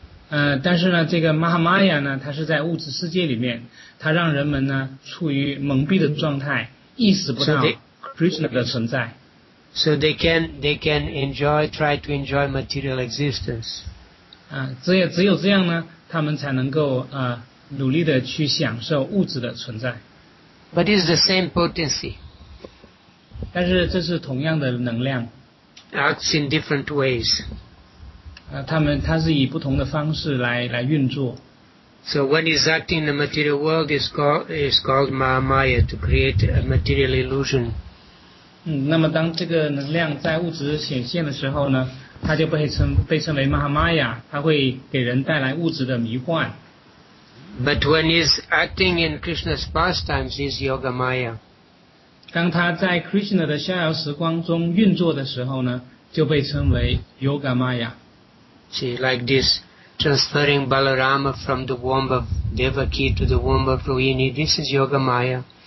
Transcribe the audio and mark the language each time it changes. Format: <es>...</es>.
<zh>但是呢这个 Mahamaya 呢它是在物质世界里面。它让人们呢处于蒙蔽的状态，意识不到 Krishna 的存在。</zh> <en>So they can try to enjoy material existence.</en> <zh>只有这样呢，他们才能够努力地去享受物质的存在。</zh> <en>But it's the same potency.</en> <zh>但是这是同样的能量。</zh> <en>Acts in different ways.</en> <zh>它是以不同的方式 来运作。</zh> <en>So when it's acting in the material world, it's called Mahamaya to create a material illusion.</en> <zh>那么当这个能量在物质显现的时候呢，它就被称为 Mahamaya， 它会给人带来物质的迷幻。</zh> <en>But when he's acting in Krishna's pastimes, he's Yoga Maya.</en> <zh>当他在 Krishna 的逍遥时光中运作的时候呢，就被称为 Yoga Maya.</zh> <en>See, like this, transferring Balarama from the womb of Devaki to the womb of Rohini, this is Yoga Maya.</en>